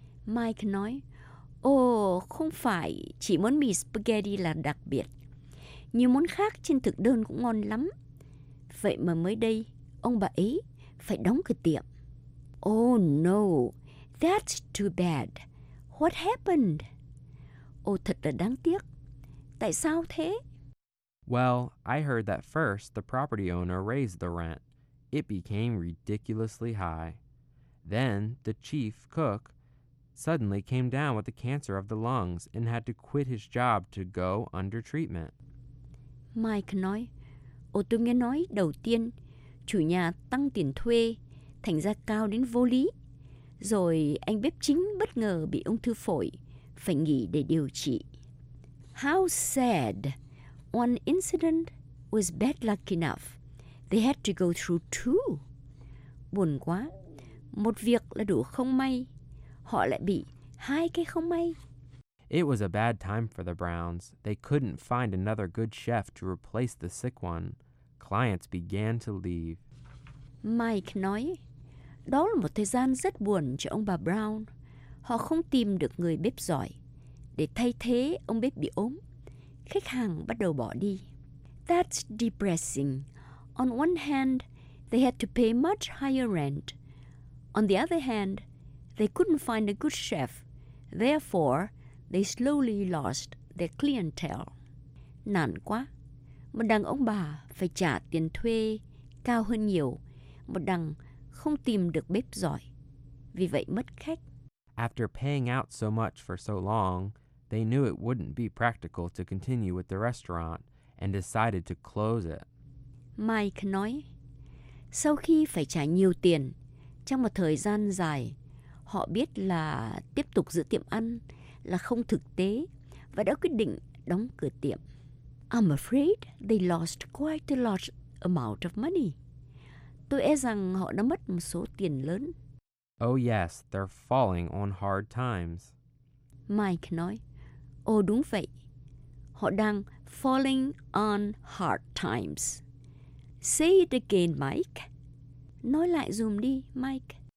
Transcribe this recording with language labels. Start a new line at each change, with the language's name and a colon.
Vietnamese: Mike nói, không phải chỉ món mì spaghetti là đặc biệt. Nhiều món khác trên thực đơn cũng ngon lắm. Vậy mà mới đây, ông bà ấy phải đóng cửa tiệm.
English: Oh no, that's too bad. What happened?
Vietnamese: Oh, thật là đáng tiếc. Tại sao thế?
English: Well, I heard that first the property owner raised the rent. It became ridiculously high. Then the chief cook suddenly came down with a cancer of the lungs and had to quit his job to go under treatment.
Vietnamese: Mike nói, tôi nghe nói đầu tiên chủ nhà tăng tiền thuê thành ra cao đến vô lý. Rồi anh bếp chính bất ngờ bị ung thư phổi, phải nghỉ để điều trị.
English: How sad. One incident was bad luck enough. They had to go through two.
Vietnamese: Buồn quá. Một việc là đủ không may. Họ lại bị hai cái không may.
English: It was a bad time for the Browns. They couldn't find another good chef to replace the sick one. Clients began to leave.
Vietnamese: Mike nói, đó là một thời gian rất buồn cho ông bà Brown. Họ không tìm được người bếp giỏi để thay thế ông bếp bị ốm. Khách hàng bắt đầu bỏ đi.
English: That's depressing. On one hand, they had to pay much higher rent. On the other hand, they couldn't find a good chef. Therefore, they slowly lost their clientele.
Vietnamese: Nản quá. Một đằng ông bà phải trả tiền thuê cao hơn nhiều. Một đằng không tìm được bếp giỏi. Vì vậy mất khách.
English: After paying out so much for so long, they knew it wouldn't be practical to continue with the restaurant and decided to close it.
Vietnamese: Mike nói, sau khi phải trả nhiều tiền, trong một thời gian dài, họ biết là tiếp tục giữ tiệm ăn là không thực tế và đã quyết định đóng cửa tiệm.
English: I'm afraid they lost quite a large amount of money.
Vietnamese: Tôi e rằng họ đã mất một số tiền lớn.
English: Oh yes, they're falling on hard times.
Vietnamese: Mike nói, đúng vậy. Họ đang
English: falling on hard times. Say it again, Mike.
Vietnamese: Nói lại dùm đi, Mike.